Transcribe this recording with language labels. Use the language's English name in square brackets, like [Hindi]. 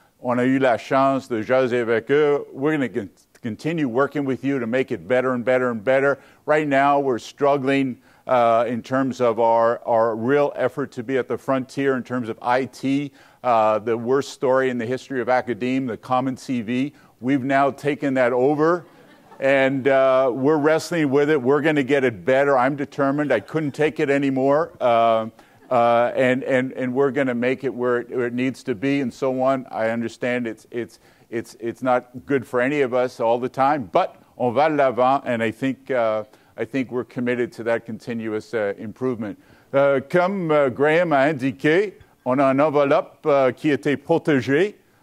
[French] On a eu la chance de jaser avec eux. [English] We're going to continue working with you to make it better and better and better. Right now, we're struggling in terms of our real effort to be at the frontier in terms of IT, the worst story in the history of academia, the common CV. We've now taken that over, and we're wrestling with it. We're going to get it better. I'm determined. I couldn't take it anymore. And we're going to make it where it needs to be, and so on. I understand it's not good for any of us all the time, but [French] on va l'avant, [English] and I think we're committed to that continuous improvement. [French] Comme Graham a indiqué, on a une enveloppe qui était protégée.